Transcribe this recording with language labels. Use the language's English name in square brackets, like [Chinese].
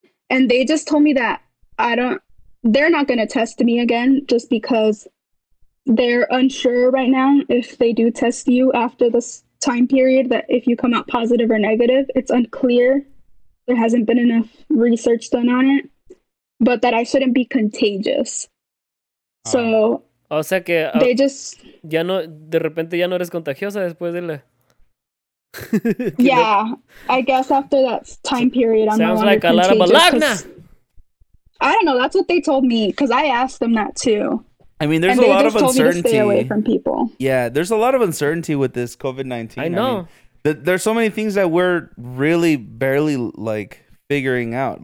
[English] And they just told me that they're not going to test me again just because they're unsure right now if they do test you after this time period, that if you come out positive or negative, it's unclear. There hasn't been enough research done on it, but that I shouldn't be contagious. So, [Spanish] o sea que, [English] they just. [Spanish] Ya no, de repente ya no eres contagiosa después de la. [English] Yeah, I guess after that time period, I'm sounds like a lot of balagna. I don't know. That's what they told me because I asked them that too. I mean, there's a lot of uncertainty. Stay away from people. Yeah, there's a lot of uncertainty with this COVID-19. I know. I mean, there's so many things that we're really barely like figuring out.